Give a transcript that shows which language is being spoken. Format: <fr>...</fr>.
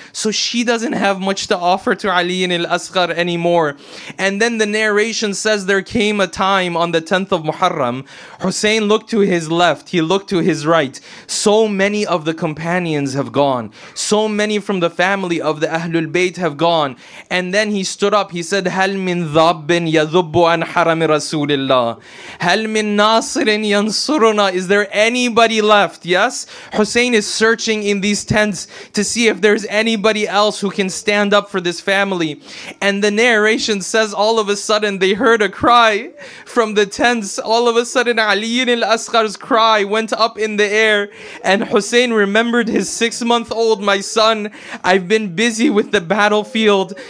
<en>So she doesn't have much to offer to Ali and Al-Asghar anymore. And then the narration says there came a time on the 10th of Muharram, Hussein looked to his left, he looked to his right. So many of the companions have gone. So many from the family of the Ahlul Bayt have gone. And then he stood up, he said,</en> <ar>هَلْ مِنْ ذَابٍ يَذُبُّ عَنْ حَرَمِ رَسُولِ اللَّهِ هَلْ مِنْ نَاصِرٍ يَنْصُرُنَا.</ar> <en>Is there anybody left? Yes? Hussein is searching in these tents to see if there's anybody else who can stand up for this family. And the narration says all of a sudden they heard a cry from the tents. All of a sudden Ali ibn al-Asghar's cry went up in the air, and Hussein remembered his six-month-old, my son, I've been busy with the battlefield.</en>